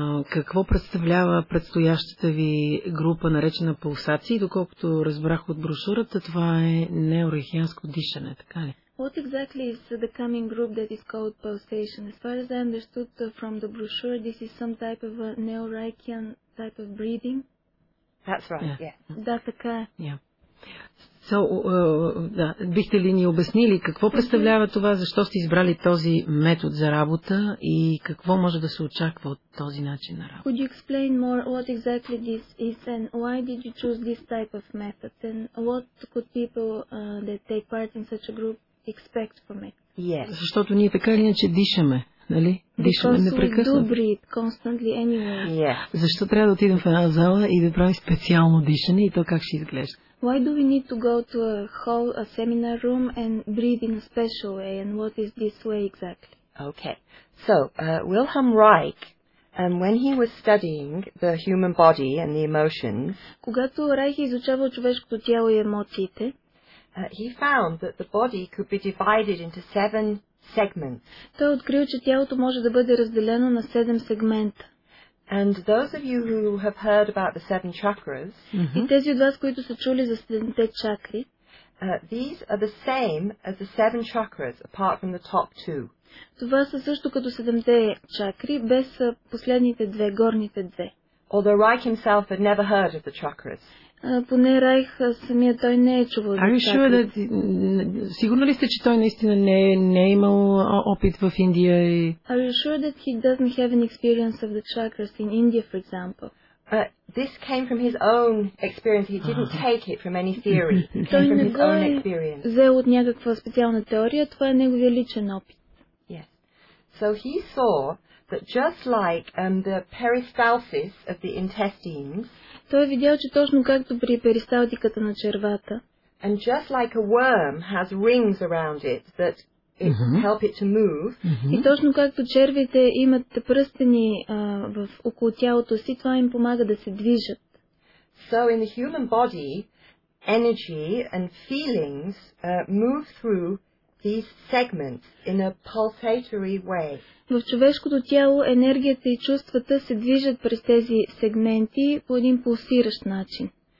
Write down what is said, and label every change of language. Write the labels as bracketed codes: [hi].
[bg] Какво представлява предстоящата ви група, наречена пулсации? Доколкото разбрах от брошурата, това е неорехианско дишане, така ли? [en] What exactly is the coming group that is called Pulsation? As far as I understood from the brochure, this is some type of a neo-reichian type of breathing. That's right, yeah. Yeah. [bg] Да, така е. [en] Yeah. So, [bg] да, бихте ли ни обяснили какво представлява това, защо сте избрали този метод за работа и какво може да се очаква от този начин на работа? [en] Could you explain more what exactly this is and why did you choose this type of method and what could people that take part in such a group expect from it. Yes. [bg] Защото ние така или иначе дишаме, нали? Дишаме непрекъснато. [en] Because we do breathe constantly anyway. Yes. [bg] Защо трябва да отидем в една зала и да правим специално дишане и то как ще изглежда? [en] Why do we need to go to a hall, a seminar room and breathe in a special way and what is this way exactly? Okay. So, Wilhelm Reich, when he was studying the human body and the emotions, [bg] когато Райх изучавал човешкото тяло и емоциите, [en] he found that the body could be divided into 7 segments. [bg] Той открил, че тялото може да бъде разделено на 7 сегмента. [en] And those of you who have heard about the 7 chakras, [bg] и тези от вас, които са чули за 7-те чакри, [en] these are the same as the 7 chakras apart from the top 2. [bg] Това са също като 7-те чакри, без последните две, горните две. [en] Although Reich himself had never heard of the chakras. [bg] Поне Райх самия той не е чувал за чакри. [en] Sure that, [bg] сигурно ли сте, че той наистина не е имал опит в Индия? И... [en] Are you sure that he doesn't have an experience of the chakras in India, for example? This came from his own experience. He didn't take it from any theory. It came from his own experience. [bg] Той не взел от някаква специална теория, това е неговия личен опит. [en] Yes. So he saw that just like the peristalsis of the intestines, [bg] той е видял, че точно както при перисталтиката на червата, [en] and just like a worm has rings around it that it help it to move, [bg] и точно както червите имат пръстени около тялото си, това им помага да се движат. [en] So in the human body, energy and feelings move through these segments in a pulsatory way. [bg] В човешкото тяло енергията и чувствата се движат през тези сегменти по един пулсиращ начин.